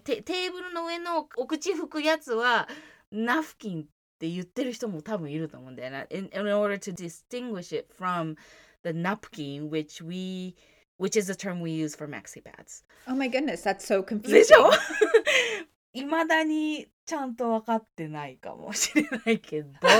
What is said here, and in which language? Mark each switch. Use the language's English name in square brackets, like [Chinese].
[Japanese] テーブルの上のお口拭くやつはナプキンって言ってる人も多分いると思うんだよね。 [English] In order to distinguish it from the napkin, which is a term we use for maxi pads. Oh my goodness, that's so confusing. [Japanese] いまだにちゃんと分かってないかもしれないけど。